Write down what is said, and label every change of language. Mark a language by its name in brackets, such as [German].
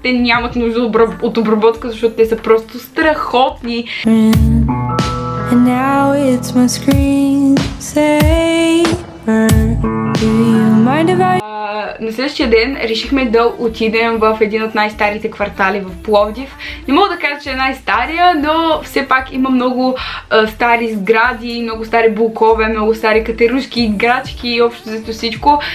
[Bulgarian] Те нямат нужда от обработка, защото те са просто страхотни. [English] And now it's my screen saver. Do you mind if I... [Bulgarian] На следващия ден решихме да отидем в един от най-старите квартали в Пловдив. Не мога да кажа, че е най-стария, но все пак има много стари сгради, много стари блокове, много стари катерушки, играчки и общо за всичко.